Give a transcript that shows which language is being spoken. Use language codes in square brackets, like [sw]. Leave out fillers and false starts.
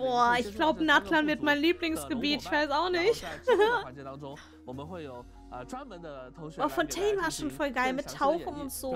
[de] 哇 ，Ich glaube, Natland wird mein Lieblingsgebiet, ich weiß auch nicht。 [zh] 在这个环节当中，我们会有。 [de] Oh, Fontaine war schon voll geil mit Tauchen und so.